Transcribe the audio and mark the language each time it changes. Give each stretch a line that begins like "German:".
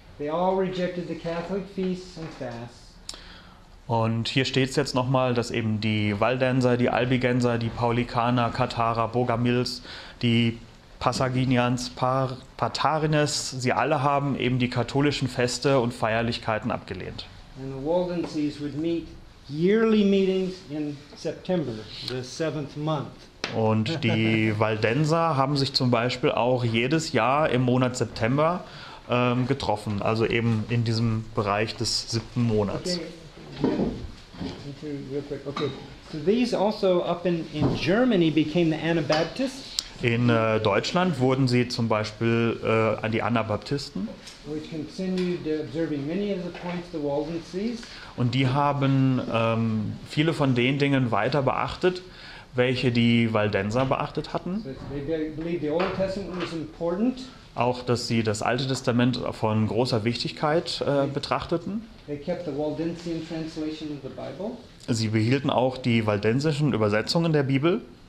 English: They all rejected the Catholic feasts and fasts.
German: Und hier steht es jetzt nochmal, dass eben die Waldenser, die Albigenser, die Paulikaner, Katharer, Bogamils, die Passaginians, Patarines, sie alle haben eben die katholischen Feste und Feierlichkeiten abgelehnt.
English: And the Waldenses would meet yearly meetings in September, the seventh month.
German: Und die Waldenser haben sich zum Beispiel auch jedes Jahr im Monat September getroffen, also eben in diesem Bereich des siebten Monats. Okay.
English: Okay, so these also up in Germany became the Anabaptists.
German: In Deutschland wurden sie zum Beispiel an die Anabaptisten.
English: Which continued observing many of the points the Walden sees.
German: Und die haben viele von den Dingen weiter beachtet, welche die Waldenser beachtet hatten.
English: So they believed the Old Testament was important.
German: Auch, dass sie das Alte Testament von großer Wichtigkeit betrachteten.
English: They kept the Waldensian translation of the Bible.
German: Sie behielten auch die waldensischen Übersetzungen der Bibel.